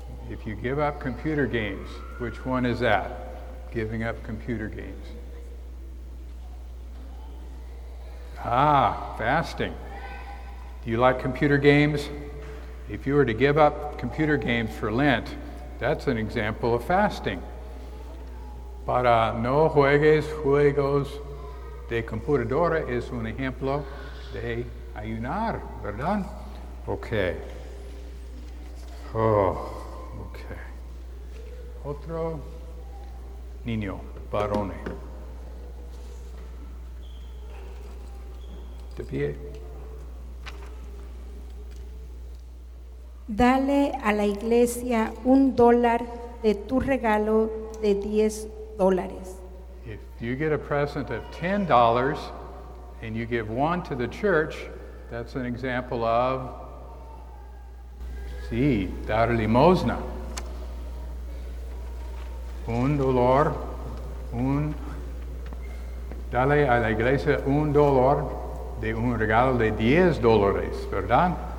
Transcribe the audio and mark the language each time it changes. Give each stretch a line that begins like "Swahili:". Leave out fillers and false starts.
English: If you give up computer games, which one is that? Giving up computer games. Ah, fasting. Do you like computer games? If you were to give up computer games for Lent, that's an example of fasting.
Spanish: Para no juegues juegos de computadora es un ejemplo de ayunar, ¿verdad? Okay. Oh, okay. Otro. Niño, varone. De pie. Dale a la iglesia $1 de tu regalo de $10.
English: If you get a present of $10 and you give $1 to the church, that's an example of,
Spanish: sí, dar limosna. Dale a la iglesia $1 de un regalo de $10, ¿verdad?